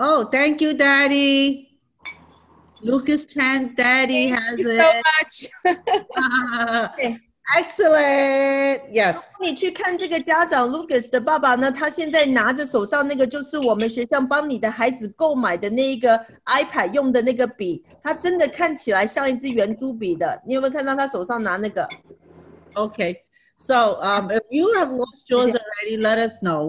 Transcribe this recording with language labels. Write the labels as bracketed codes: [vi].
[en] Thank you, Daddy. Lucas Chan's daddy has it. Thank you so much. Okay. Excellent. Yes. [zh] 你去看这个家长 Lucas 的爸爸呢，他现在拿着手上那个就是我们学校帮你的孩子购买的那个 iPad 用的那个笔，他真的看起来像一支圆珠笔的。你有没有看到他手上拿那个？ [en] Okay. So, if you have lost yours already, let us know.